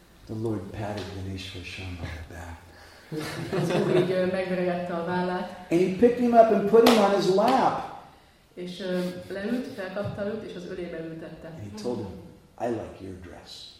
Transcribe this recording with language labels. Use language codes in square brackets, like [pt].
[en] The Lord patted Dhaneshwar Sharma on the back. [hu] Az Úr így megveregette a vállát. [en] And he picked him up and put him on his lap. [hu] És leült, felkapta őt, és az ölébe ültette. [en] And he told him, I like your dress.